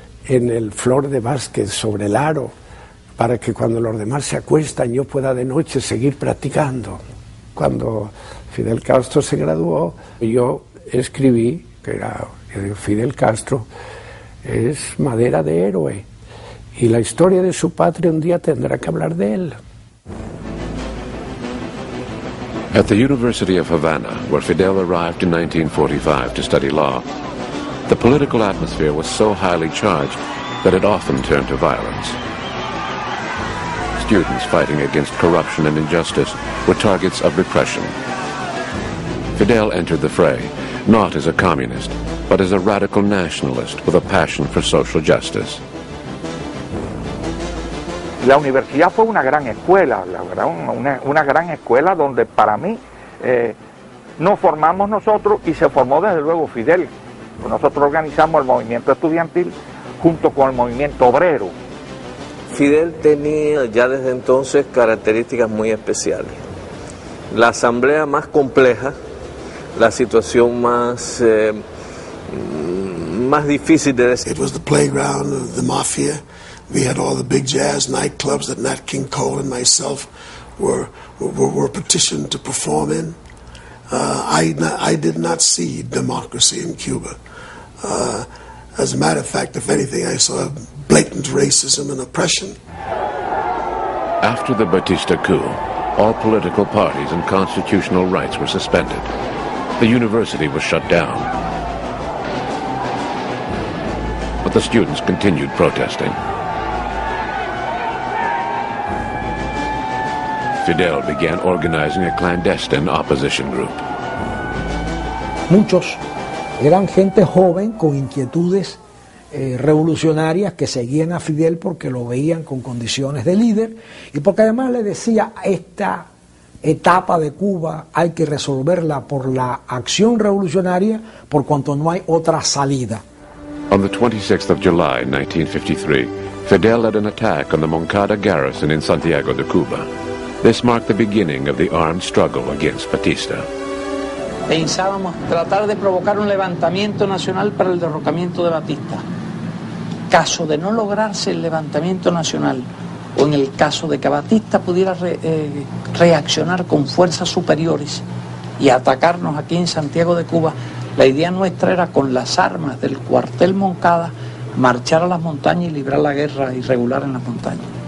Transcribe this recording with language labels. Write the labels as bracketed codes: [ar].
[es] en el Flor de Vázquez sobre el aro, para que cuando los demás se acuestan yo pueda de noche seguir practicando. Cuando Fidel Castro se graduó, yo escribí que era Fidel Castro es madera de héroe, y la historia de su patria un día tendrá que hablar de él. [en] At the University of Havana, where Fidel arrived in 1945 to study law, the political atmosphere was so highly charged that it often turned to violence. Students fighting against corruption and injustice were targets of repression. Fidel entered the fray not as a communist, but as a radical nationalist with a passion for social justice. [es] La universidad fue una gran escuela, la verdad, una gran escuela donde para mí nos formamos nosotros y se formó desde luego Fidel. Nosotros organizamos el movimiento estudiantil junto con el movimiento obrero. Fidel tenía ya desde entonces características muy especiales. La asamblea más compleja, la situación más, más difícil de decir. [en] It was the playground of the mafia. We had all the big jazz nightclubs that Nat King Cole and myself were petitioned to perform in. I did not see democracy in Cuba. As a matter of fact, if anything, I saw blatant racism and oppression. After the Batista coup, all political parties and constitutional rights were suspended. The university was shut down. But the students continued protesting. Fidel began organizing a clandestine opposition group. [es] Muchos eran gente joven con inquietudes revolucionarias que seguían a Fidel porque lo veían con condiciones de líder y porque además le decía, esta etapa de Cuba hay que resolverla por la acción revolucionaria por cuanto no hay otra salida. [en] On the 26th of July 1953, Fidel led an attack on the Moncada garrison in Santiago de Cuba. This marked the beginning of the armed struggle against Batista. [es] Pensábamos tratar de provocar un levantamiento nacional para el derrocamiento de Batista. Caso de no lograrse el levantamiento nacional, o en el caso de que Batista pudiera reaccionar con fuerzas superiores y atacarnos aquí en Santiago de Cuba, la idea nuestra era, con las armas del cuartel Moncada, marchar a las montañas y librar la guerra irregular en las montañas.